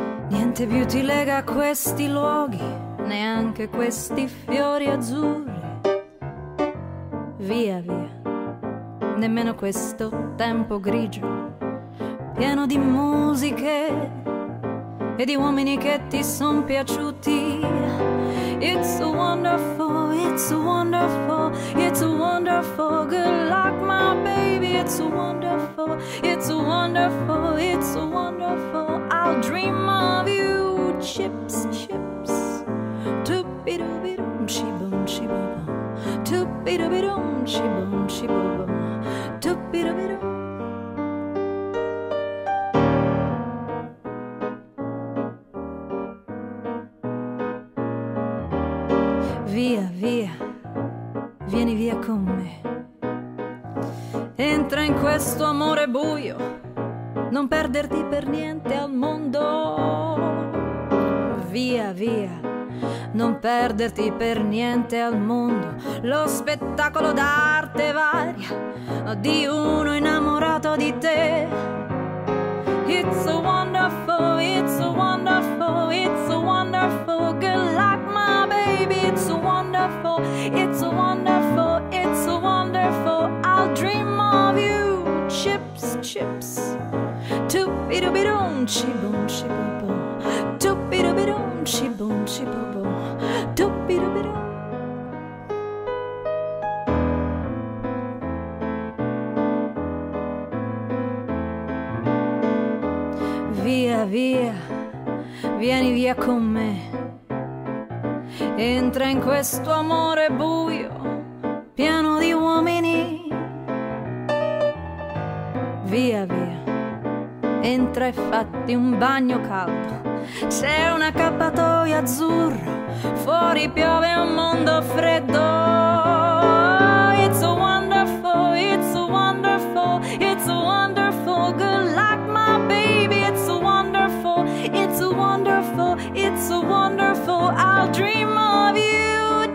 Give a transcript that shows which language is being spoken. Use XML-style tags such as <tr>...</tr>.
<it>Niente più ti lega a questi luoghi, neanche questi fiori azzurri. Via, via, nemmeno questo tempo grigio, pieno di musiche e di uomini che ti son piaciuti.</it> <en>It's wonderful, it's wonderful, it's wonderful, good luck my baby. It's wonderful, it's wonderful, it's wonderful, I'll dream of you. Chips, chips, toopie-doobie-doom, chee-boom, chee-boom, toopie-doobie-doom, chee-boom, chee-boom, toopie-doobie-doom.</en> <it>Via, via, vieni via con me. Entra in questo amore buio, non perderti per niente al mondo. Via, via, non perderti per niente al mondo. Lo spettacolo d'arte varia di uno innamorato di te.</it> <en>It's wonderful, it's wonderful, it's wonderful, good luck my baby. It's wonderful, it's wonderful, it's wonderful, I'll dream of you. Chips, chips, toopie-doobie-doom, chee-boom, chee-boom-boom, toopie-doobie-doom, chee-boom, chee-boom-boom, toopie-doobie-doom.</en> <it>Via, via, vieni via con me. Entra in questo amore buio, pieno di uomini. Via, via, entra e fatti un bagno caldo. C'è un accappatoio azzurro, fuori piove un mondo freddo.</it> <en>It's wonderful, it's wonderful, it's wonderful, good luck my baby. It's wonderful, it's wonderful, it's wonderful, I'll dream of you.</en>